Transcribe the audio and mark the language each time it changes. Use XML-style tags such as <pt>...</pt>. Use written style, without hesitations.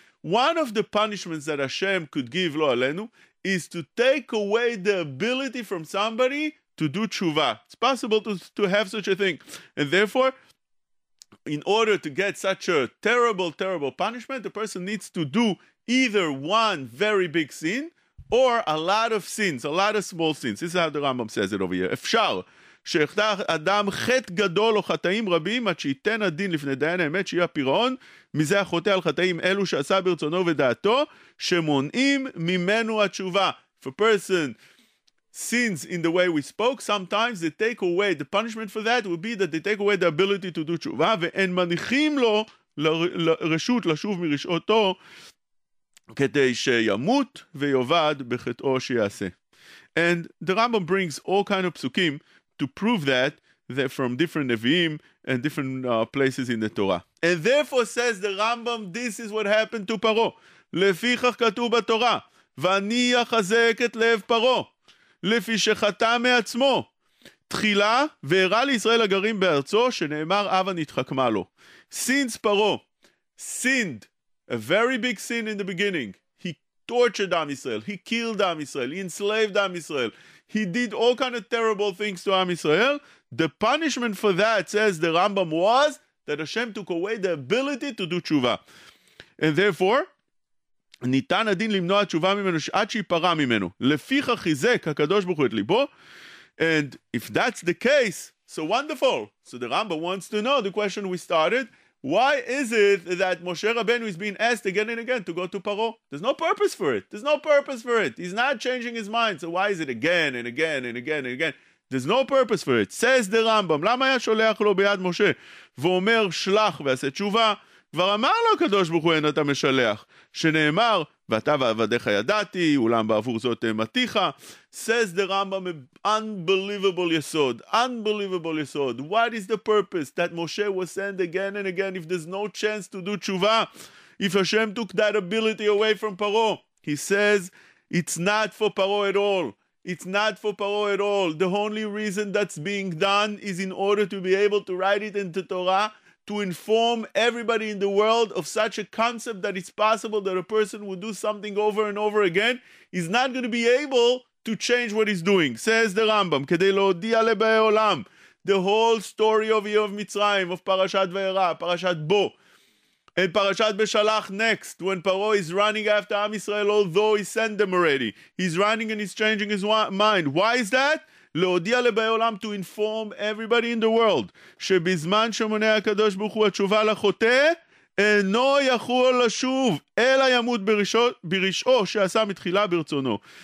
<en>One of the punishments that Hashem could give, Lo Aleinu, is to take away the ability from somebody to do tshuva. It's possible to have such a thing. And therefore, in order to get such a terrible, terrible punishment, the person needs to do either one very big sin or a lot of sins, a lot of small sins. This is how the Rambam says it over here.</en> <he>Efshar. שיחטא אדם חטא גדול או חטאים רבים עד שייתן הדין לפני דיין האמת שיהיה פירעון מזה החוטא על חטאים אלו שעשה ברצונו ודעתו שמונעים ממנו התשובה.</he> <en>If a person sins in the way we spoke, sometimes they take away the punishment for that would be that they take away the ability to do תשובה</en> <he>ואין מניחים לו לרשות לשוב מרשעותו כדי שימות ויובד בחטאו שיעשה.</he> <en>And the Rambam brings all kind of פסוקים to prove that from different Nevi'im and different places in the Torah. And therefore says the Rambam, this is what happened to Paro.</en> <he>לפיכך כתוב בתורה, ואני אחזק את לב פרו, לפי שחטא מעצמו, תחילה והראה לישראל הגרים בארצו, שנאמר אבא נתחכמה לו.</he> <en>Since Paro sinned, a very big sin in the beginning, he tortured Am Israel, he killed Am Israel, he enslaved Am Israel, he did all kind of terrible things to Am Israel. The punishment for that, says the Rambam, was that Hashem took away the ability to do tshuva. And therefore,</en> <he>ניתן הדין למנוע תשובה ממנו עד שיפרע ממנו. לפיך חיזק הקדוש ברוך הוא את ליבו.</he> <en>And if that's the case, so wonderful. So the Rambam wants to know the question we started. Why is it that Moshe Rabbeinu is being asked again and again to go to Paro? There's no purpose for it. There's no purpose for it. He's not changing his mind. So why is it again and again and again and again? There's no purpose for it. Says the Rambam,</en> <he>למה היה שולח לו ביד משה? ואומר שלח ועשה תשובה. כבר אמר לו הקדוש ברוך הוא אין אתה משלח. שנאמר, ואתה ועבדיך ידעתי, אולם בעבור זאת מתיך.</he> <en>Says the Rambam, unbelievable yesod. What is the purpose that Moshe was sent again and again if there's no chance to do tshuva? If Hashem took that ability away from Paro, he says, it's not for Paro at all. It's not for Paro at all. The only reason that's being done is in order to be able to write it in the Torah, to inform everybody in the world of such a concept that it's possible that a person would do something over and over again, is not going to be able to change what he's doing. Says the Rambam,</en> <he>כדי להודיע לבאי עולם,</he> <en>the whole story of Yehov of Mitzrayim, of Parashat Vayera, Parashat Bo, and Parashat Beshalach next, when Paro is running after Am Yisrael, although he sent them already, he's running and he's changing his mind. Why is that?</en> <he>להודיע לבאי עולם,</he> <en>to inform everybody in the world,</en> <he>שבזמן שמונע הקדוש ברוך הוא התשובה לחוטא, אינו יכול לשוב, אלא ימות ברשעו, שעשה מתחילה ברצונו.</he>